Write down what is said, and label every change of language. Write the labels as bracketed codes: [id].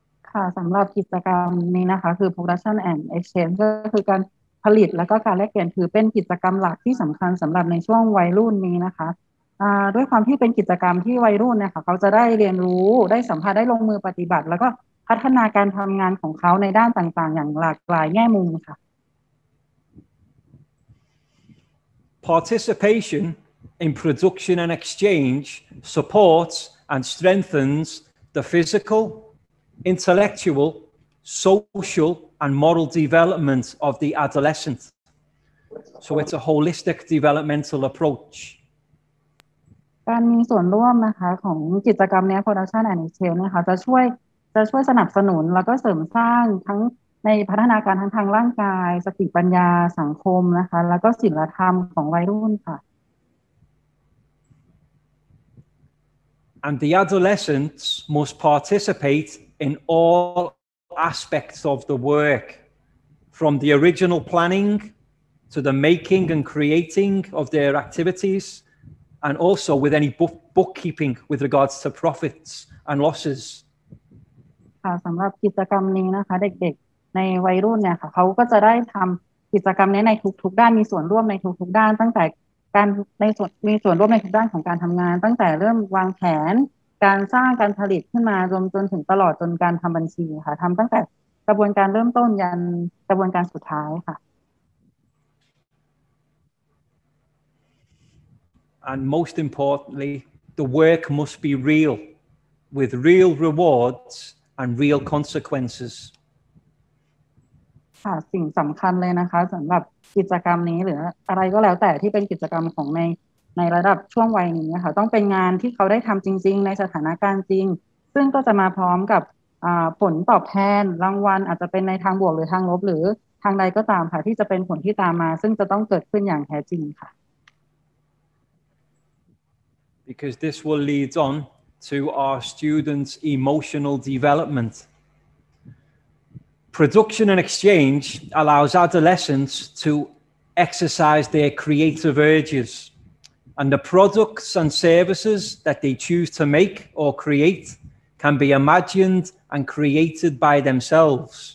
[th] ค่ะ สำหรับกิจกรรมนี้นะคะคือ production and exchange ก็คือการผลิตแล้วก็การแลกเปลี่ยนถือเป็นกิจกรรมหลักที่สำคัญสำหรับในช่วงวัยรุ่นนี้นะคะด้วยความที่เป็นกิจกรรมที่วัยรุ่นเนี่ยค่ะเขาจะได้เรียนรู้ได้สัมผัสได้ลงมือปฏิบัติแล้วก็พัฒนาการทำงานของเขาในด้านต่างๆอย่างหลากหลายแง่มุมค่ะ [en] Participation in production and exchange supports and strengthens the physical, intellectual, social and moral development of the adolescent. So it's a holistic developmental approach. [th] การมีส่วนร่วมนะคะของกิจกรรมนี้ Production and Exchange นะคะจะช่วยสนับสนุนแล้วก็เสริมสร้างทั้งในพัฒนาการทางร่างกายสติปัญญาสังคมนะคะแล้วก็ศีลธรรมของวัยรุ่นค่ะ [en] And the adolescents must participate in all aspects of the work from the original planning to the making and creating of their activitiesAnd also with any bookkeeping with regards to profits and losses. [th] ค่ะ สำหรับกิจกรรมนี้นะคะเด็กๆในวัยรุ่นเนี่ยค่ะเขาก็จะได้ทำกิจกรรมนี้ในทุกๆด้านมีส่วนร่วมในทุกๆด้านตั้งแต่การในส่วนมีส่วนร่วมในทุกด้านของการทำงานตั้งแต่เริ่มวางแผนการสร้างการผลิตขึ้นมารวมจนถึงตลอดจนการทำบัญชีค่ะทำตั้งแต่กระบวนการเริ่มต้นยันกระบวนการสุดท้ายค่ะ [en] And most importantly, the work must be real, with real rewards and real consequences. [th] ค่ะ สิ่งสำคัญเลยนะคะสำหรับกิจกรรมนี้หรืออะไรก็แล้วแต่ที่เป็นกิจกรรมของในระดับช่วงวัยนี้นะคะต้องเป็นงานที่เขาได้ทำจริงๆในสถานการณ์จริงซึ่งก็จะมาพร้อมกับผลตอบแทนรางวัลอาจจะเป็นในทางบวกหรือทางลบหรือทางใดก็ตามค่ะที่จะเป็นผลที่ตามมาซึ่งจะต้องเกิดขึ้นอย่างแท้จริงค่ะ [en] Because this will lead on to our students' emotional development. Production and exchange allows adolescents to exercise their creative urges, and the products and services that they choose to make or create can be imagined and created by themselves.